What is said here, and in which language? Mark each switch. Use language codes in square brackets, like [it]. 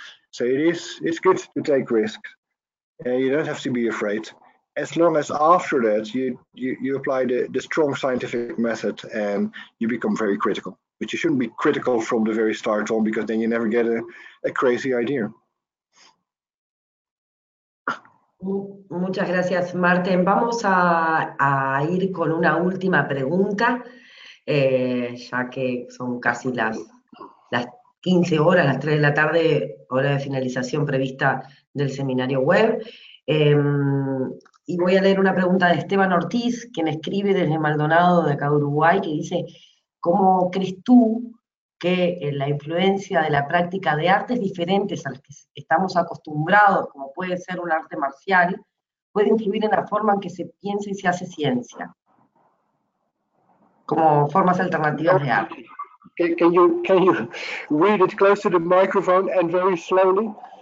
[en] So it's good to take risks. You don't have to be afraid, as long as after that you apply the strong scientific method and you become very critical. But you shouldn't be critical from the very start on, because then you never get a crazy idea. [es] Muchas gracias, Marten. Vamos a ir con una última pregunta, ya que son casi las 15 horas, las 3 de la tarde, hora de finalización prevista del seminario web. Y voy a leer una pregunta de Esteban Ortiz, quien escribe desde Maldonado, de acá de Uruguay, que dice: ¿cómo crees tú que la influencia de la práctica de artes diferentes a las que estamos acostumbrados, como puede ser un arte marcial, puede influir en la forma en que se piensa y se hace ciencia, como formas alternativas de arte? [en] Can you read it close to the microphone and very slowly?